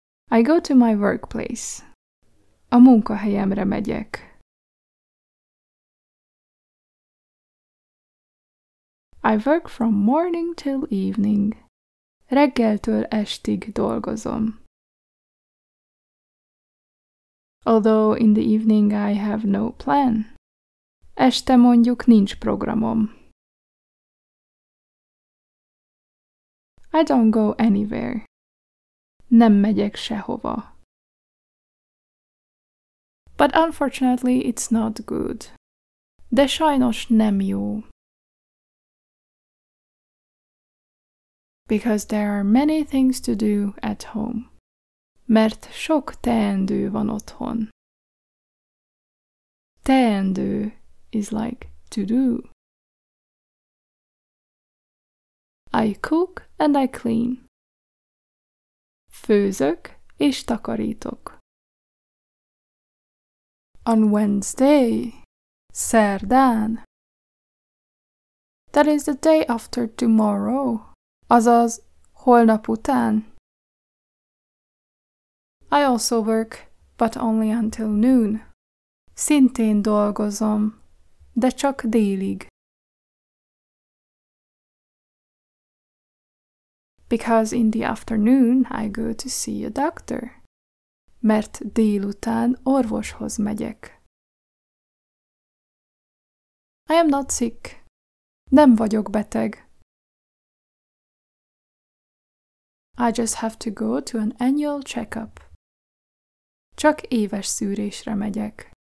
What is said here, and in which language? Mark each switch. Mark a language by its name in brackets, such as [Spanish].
[English] I go to my workplace. [Hungarian] A munkahelyemre megyek. [English] I work from morning till evening. [Hungarian] Reggeltől estig dolgozom. [English] Although in the evening I have no plan. [Hungarian] Este mondjuk nincs programom. [English] I don't go anywhere. [Hungarian] Nem megyek sehova. [English] But unfortunately it's not good. [Hungarian] De sajnos nem jó. [English] Because there are many things to do at home. [Hungarian] Mert sok teendő van otthon. [English] Teendő is like to do. I cook and I clean. [Hungarian] Főzök és takarítok. [English] On Wednesday, szerdán. That is the day after tomorrow. [Hungarian] Azaz, holnap után. [English] I also work, but only until noon. [Hungarian] Szintén dolgozom, de csak délig. [English] Because in the afternoon I go to see a doctor. [Hungarian] Mert délután orvoshoz megyek. [English] I am not sick. [Hungarian] Nem vagyok beteg. [English] I just have to go to an annual checkup. [Hungarian] Csak éves szűrésre megyek.